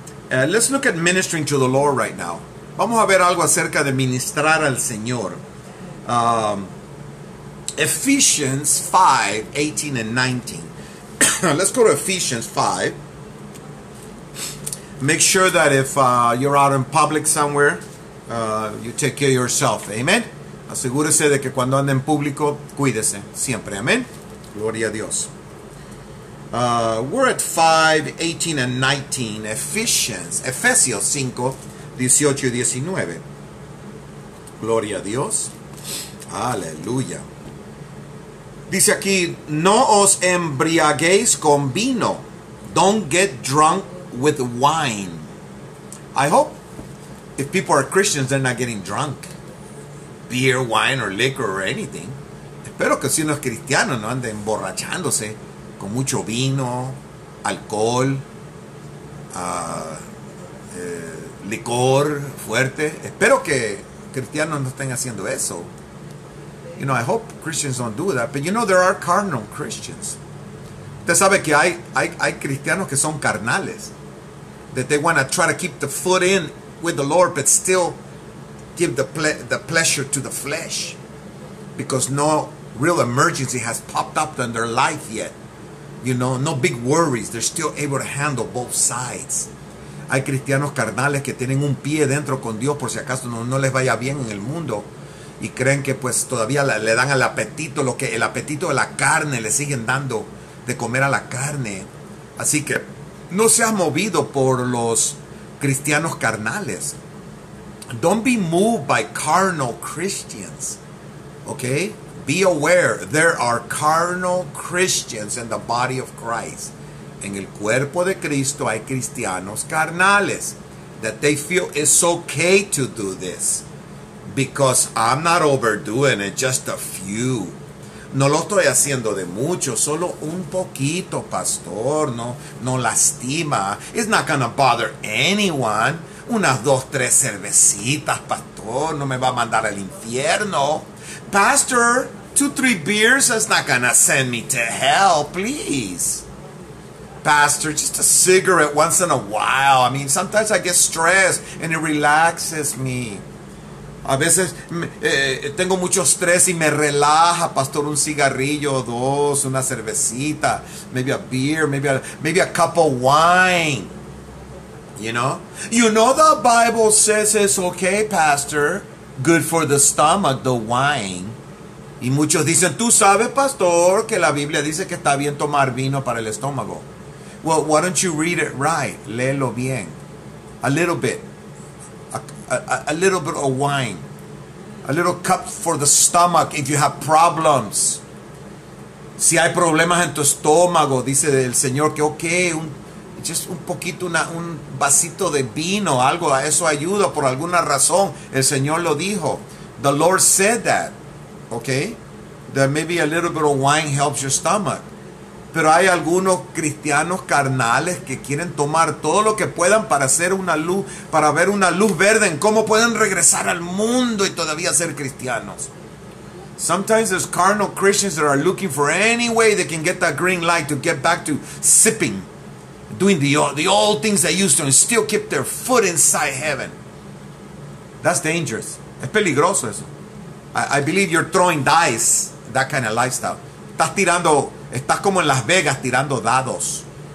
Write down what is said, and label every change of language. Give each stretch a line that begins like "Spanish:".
English: Let's look at ministering to the Lord right now.
Spanish: Vamos a ver algo acerca de ministrar al Señor.
English: Ephesians 5, 18 and 19. Let's go to Ephesians 5. Make sure that if you're out in public somewhere, you take care of yourself. Amen.
Spanish: Asegúrese de que cuando ande en público, cuídese siempre. Amén. Gloria a Dios.
English: We're at 5, 18 and 19.
Spanish: Efesios 5, 18 y 19. Gloria a Dios. Aleluya. Dice aquí, no os embriaguéis con vino.
English: Don't get drunk with wine. I hope if people are Christians, they're not getting drunk. Beer, wine, or liquor, or anything.
Spanish: Espero que si uno es cristiano no ande emborrachándose con mucho vino, alcohol, licor fuerte. Espero que cristianos no estén haciendo eso.
English: You know, I hope Christians don't do that. But you know, there are carnal Christians.
Spanish: Usted sabe que hay cristianos que son carnales.
English: That they want to try to keep the foot in with the Lord, but still give the pleasure to the flesh. Because no real emergency has popped up in their life yet. You know, no big worries. They're still able to handle both sides.
Spanish: Hay cristianos carnales que tienen un pie dentro con Dios por si acaso no les vaya bien en el mundo. Y creen que pues todavía le dan al apetito, lo que el apetito de la carne, le siguen dando de comer a la carne. Así que no seas movido por los cristianos carnales.
English: Don't be moved by carnal Christians. Okay? Be aware, there are carnal Christians in the body of Christ.
Spanish: En el cuerpo de Cristo hay cristianos carnales.
English: That they feel it's okay to do this. Because I'm not overdoing it, just a few.
Spanish: No lo estoy haciendo de mucho, solo un poquito, pastor. No lastima.
English: It's not gonna bother anyone.
Spanish: Unas dos, tres cervecitas, pastor. No me va a mandar al infierno.
English: Pastor, two, three beers is not gonna send me to hell, please. Pastor, just a cigarette once in a while. I mean, sometimes I get stressed and it relaxes me.
Spanish: A veces tengo mucho estrés y me relaja, pastor, un cigarrillo o dos, una cervecita,
English: maybe a beer, maybe a cup of wine, you know? You know the Bible says it's okay, pastor, good for the stomach, the wine.
Spanish: Y muchos dicen, tú sabes, pastor, que la Biblia dice que está bien tomar vino para el estómago.
English: Well, why don't you read it right?
Spanish: Léelo bien,
English: a little bit. A little bit of wine, a little cup for the stomach if you have problems.
Spanish: Si hay problemas en tu estómago, dice el Señor que
English: okay, just
Spanish: un poquito, un vasito de vino, algo, eso ayuda por alguna razón. El Señor lo dijo.
English: The Lord said that, okay, that maybe a little bit of wine helps your stomach.
Spanish: Pero hay algunos cristianos carnales que quieren tomar todo lo que puedan para hacer una luz, para ver una luz verde en cómo pueden regresar al mundo y todavía ser cristianos.
English: Sometimes there's carnal Christians that are looking for any way they can get that green light to get back to sipping, doing the old things they used to and still keep their foot inside heaven. That's dangerous.
Spanish: Es peligroso eso.
English: I believe you're throwing dice, that kind of lifestyle.
Spanish: Estás tirando, estás como en Las Vegas tirando dados.